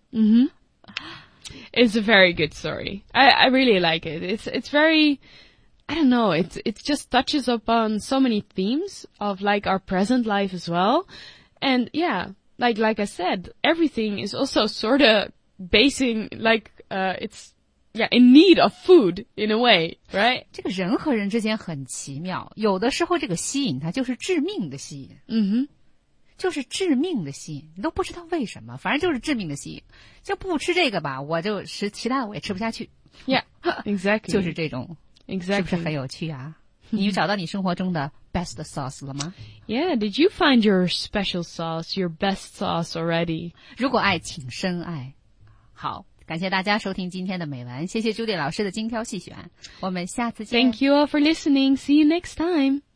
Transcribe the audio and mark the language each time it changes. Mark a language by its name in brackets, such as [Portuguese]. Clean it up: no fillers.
[English] Mm-hmm. It's a very good story. I really like it. It's very, I don't know, it just touches upon so many themes of like our present life as well. And yeah, like I said, everything is also sort of basing, like, it's... Yeah, in need of food, in a way, right? [Chinese] 这个人和人之间很奇妙，有的时候这个吸引它就是致命的吸引。嗯哼，就是致命的吸引，你都不知道为什么，反正就是致命的吸引。就不吃这个吧，我就吃其他的我也吃不下去。 [English] Yeah, exactly. [Chinese] 就是这种。 [English] Exactly. [Chinese] 是不是很有趣啊？你找到你生活中的 [English] best sauce [Chinese] 了吗？ [English] Yeah, did you find your special sauce, your best sauce already? [Chinese] 如果爱，请深爱。好。感谢大家收听今天的美文，谢谢朱迪老师的精挑细选，我们下次见。 [English] Thank you all for listening. See you next time.